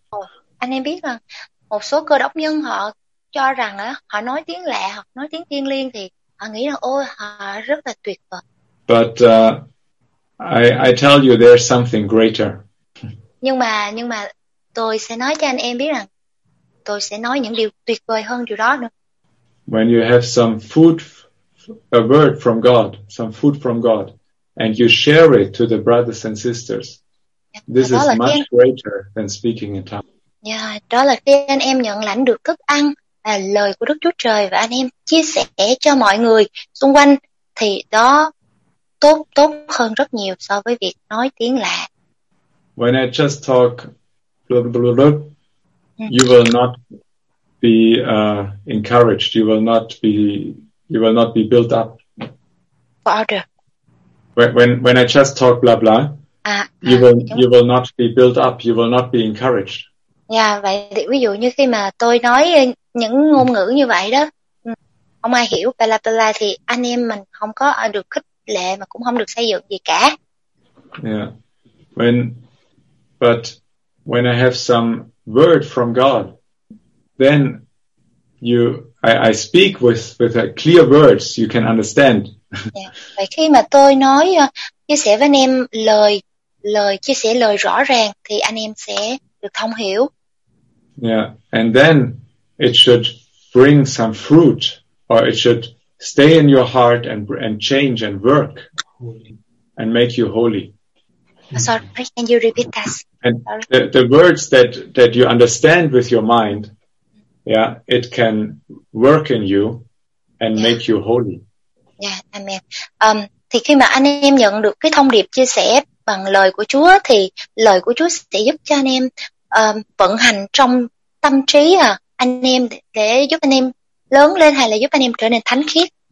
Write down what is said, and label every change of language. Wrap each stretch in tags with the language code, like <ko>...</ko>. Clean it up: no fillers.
<vi>Oh, anh em biết mà một số cơ đốc nhân họ cho rằng họ nói tiếng lạ hoặc nói tiếng thiêng liêng thì họ nghĩ là ôi họ rất là tuyệt vời.</vi> <en>But I tell you there's something greater.</en> <vi>Nhưng mà tôi sẽ nói cho anh em biết rằng tôi sẽ nói những điều tuyệt vời hơn điều đó nữa.</vi> <en>When you have some food, a word from God, some food from God, and you share it to the brothers and sisters, this is much greater than speaking in tongues.</en> <vi>Yeah, đó là khi anh em nhận lãnh được thức ăn là lời của Đức Chúa Trời và anh em chia sẻ cho mọi người xung quanh thì đó tốt hơn rất nhiều so với việc nói tiếng lạ.</vi> <en>When I just talk blah, blah, blah, blah, you will not be encouraged, you will not be built up. Father. When I just talk blah blah, you will not be built up, you will not be encouraged.</en> <vi>Yeah, vậy thì ví dụ như khi mà tôi nói những ngôn ngữ như vậy đó, không ai hiểu bla bla thì anh em mình không có được khích lệ mà cũng không được xây dựng gì cả. Yeah.</vi> <en>But when I have some word from God, then I speak with a clear words you can understand. Yeah.</en> <vi>Vậy khi mà tôi nói chia sẻ với anh em lời chia sẻ lời rõ ràng thì anh em sẽ được thông hiểu.</vi> <en>Yeah, and then it should bring some fruit, or it should stay in your heart and change and work and make you holy. Sorry, can you repeat that? And the words that you understand with your mind, yeah, it can work in you and make you holy. Yeah, amen.</en> <vi>Thì khi mà anh em nhận được cái thông điệp chia sẻ bằng lời của Chúa thì lời của Chúa sẽ giúp cho anh em vận hành trong tâm trí anh em để giúp anh em lớn lên hay là giúp anh em trở nên thánh khiết.</vi>